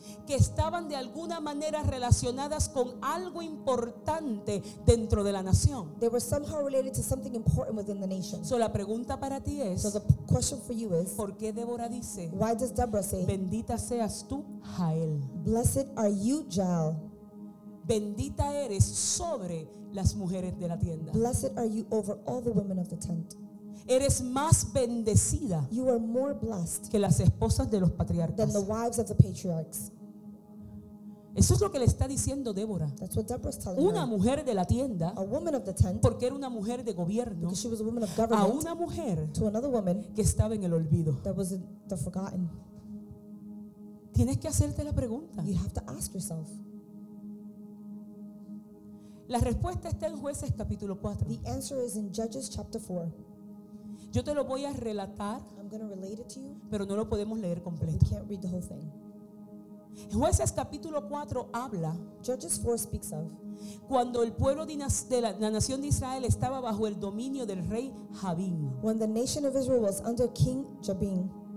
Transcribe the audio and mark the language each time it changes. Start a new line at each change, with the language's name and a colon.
Spanish: que estaban de alguna manera relacionadas con algo importante dentro de la nación.
English: They were somehow related to something important within the nation.
Spanish: So la pregunta para ti es,
English: so the question for you is,
Spanish: ¿por qué Débora dice,
English: why does Deborah say,
Spanish: bendita seas tú, Jael?
English: Blessed are you, Jael.
Spanish: Bendita eres sobre las mujeres de la tienda.
English: Blessed are you over all the women of the tent.
Spanish: Eres más bendecida,
English: you are more blessed,
Spanish: que las esposas de los patriarcas,
English: than the wives of the patriarchs.
Spanish: Eso es lo que le está diciendo Débora.
English: That's what Deborah's telling her. Una her,
Spanish: mujer de la tienda,
English: a woman of the tent,
Spanish: porque era una mujer de gobierno,
English: because she was a woman of government,
Spanish: a una mujer,
English: to another woman,
Spanish: que estaba en el olvido,
English: that was the forgotten.
Spanish: Tienes que hacerte la pregunta.
English: You have to ask yourself.
Spanish: La respuesta está en Jueces capítulo 4.
English: The answer is in Judges chapter 4.
Spanish: Yo te lo voy a relatar,
English: I'm going to relate it to you,
Spanish: pero no lo podemos leer completo.
English: We can't read the whole thing.
Spanish: Jueces capítulo 4 habla,
English: Judges 4 speaks of,
Spanish: cuando el pueblo de la nación de Israel estaba bajo el dominio del rey Jabín.
English: When the nation of Israel was under King Jabin.